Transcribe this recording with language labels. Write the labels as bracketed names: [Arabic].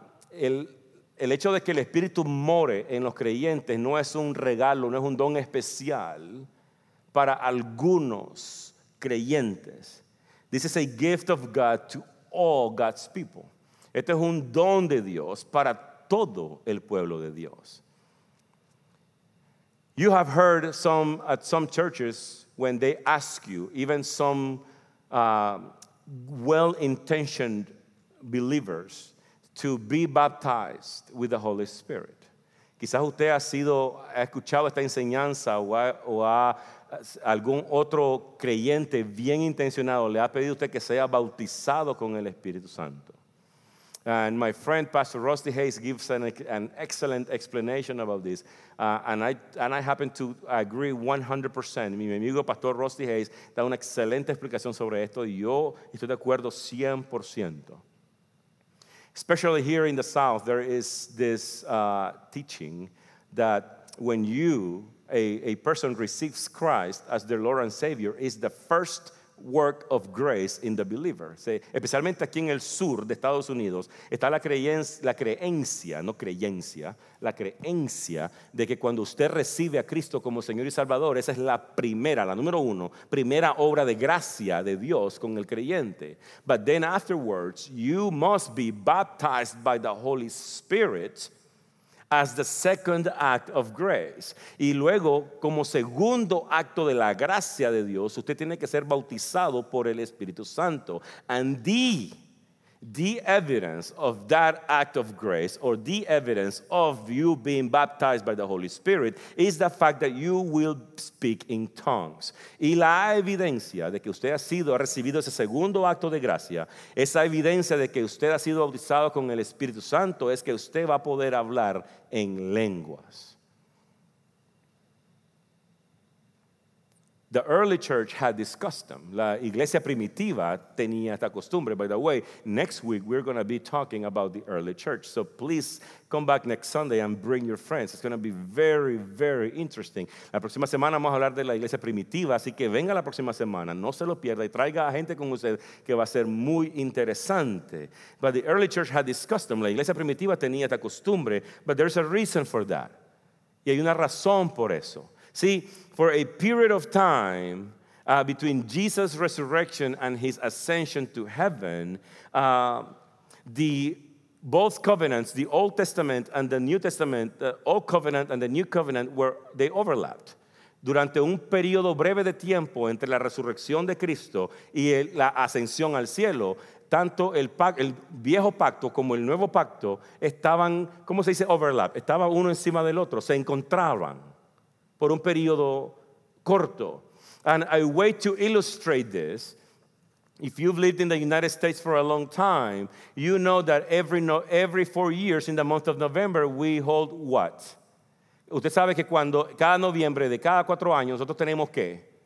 [Spanish] El hecho de que el Espíritu more en los creyentes no es un regalo, no es un don especial para algunos creyentes. [English] This is a gift of God to all God's people. [Spanish] Este es un don de Dios para todo el pueblo de Dios. [English] You have heard some at some churches when they ask you, even some well-intentioned believers, to be baptized with the Holy Spirit. [Spanish] Quizás usted ha escuchado esta enseñanza o a algún otro creyente bien intencionado le ha pedido usted que sea bautizado con el Espíritu Santo. [English] And my friend Pastor Rusty Hayes gives an excellent explanation about this, and I happen to agree 100%. [Spanish] Mi amigo Pastor Rusty Hayes da una excelente explicación sobre esto, y yo estoy de acuerdo 100%. [English] Especially here in the South, there is this teaching that when you, a person, receives Christ as their Lord and Savior, is the first work of grace in the believer. [Spanish] Say, especialmente aquí en el sur de Estados Unidos, está la creencia de que cuando usted recibe a Cristo como Señor y Salvador, esa es la primera obra de gracia de Dios con el creyente. [English] But then afterwards, you must be baptized by the Holy Spirit as the second act of grace. [Spanish] Y luego, como segundo acto de la gracia de Dios, usted tiene que ser bautizado por el Espíritu Santo. [English] And the evidence of that act of grace, or the evidence of you being baptized by the Holy Spirit, is the fact that you will speak in tongues. [Spanish] Y la evidencia de que usted ha recibido ese segundo acto de gracia, esa evidencia de que usted ha sido bautizado con el Espíritu Santo, es que usted va a poder hablar en lenguas. [English] The early church had this custom. [Spanish] La iglesia primitiva tenía esta costumbre. [English] By the way, next week we're going to be talking about the early church. So please come back next Sunday and bring your friends. It's going to be very, very interesting. [Spanish] La próxima semana vamos a hablar de la iglesia primitiva. Así que venga la próxima semana. No se lo pierda y traiga a gente con usted que va a ser muy interesante. [English] But the early church had this custom. [Spanish] La iglesia primitiva tenía esta costumbre. [English] But there's a reason for that. [Spanish] Y hay una razón por eso. [English] See, for a period of time between Jesus' resurrection and his ascension to heaven, both covenants, the Old Testament and the New Testament, the Old Covenant and the New Covenant, they overlapped. [Spanish] Durante un periodo breve de tiempo entre la resurrección de Cristo y la ascensión al cielo, tanto el viejo pacto como el nuevo pacto estaban, ¿cómo se dice? Overlap. Estaban uno encima del otro, se encontraban por un periodo corto. [English] And a way to illustrate this, if you've lived in the United States for a long time, you know that every 4 years in the month of November, we hold what? [Spanish] Usted sabe que cuando cada noviembre de cada 4 años, nosotros tenemos ¿qué?